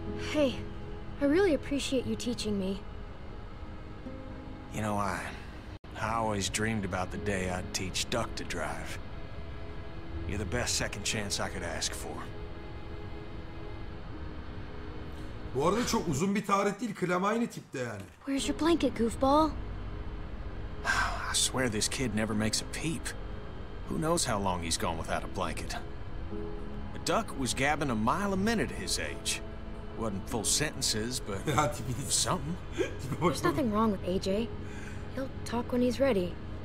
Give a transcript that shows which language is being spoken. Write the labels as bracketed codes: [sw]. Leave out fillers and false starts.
[en] Hey, I really appreciate you teaching me. You know, I always dreamed about the day I'd teach Duck to drive. You're the best second chance I could ask for. [tr] Bu arada çok uzun bir tarih değil, Clem aynı tipte yani. [en] Where's your blanket, goofball? I swear this kid never makes a peep. Who knows how long he's gone without a blanket? A duck was gabbing a mile a minute at his age. Wasn't full sentences, but something. There's nothing wrong with AJ. He'll talk when he's ready.